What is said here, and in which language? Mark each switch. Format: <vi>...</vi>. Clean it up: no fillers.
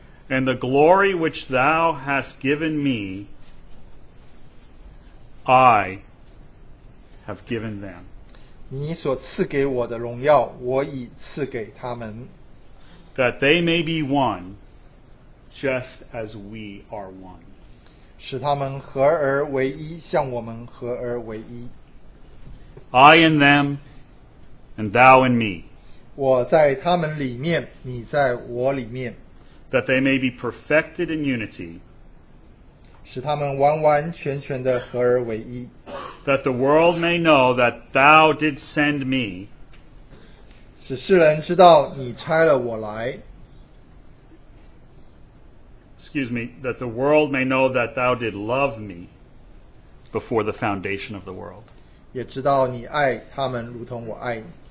<en>And the glory which thou hast given me, I have given them.</en> <zh>你所赐给我的荣耀, 我已赐给他们,</zh> <en>that they may be one, just as we are one.</en> <zh>使他们合而为一, 像我们合而为一。</zh> <en>I in them, and thou in me,</en> <zh>我在他们里面, 你在我里面,</zh> <en>that they may be perfected in unity,</en> <zh>使他们完完全全的合而为一,</zh> <en>that the world may know that thou didst send me,</en> <zh>使世人知道你差了我来,</zh> <en>excuse me, that the world may know that thou did love me before the foundation of the world,</en> <zh>也知道你爱他们如同我爱你。</zh>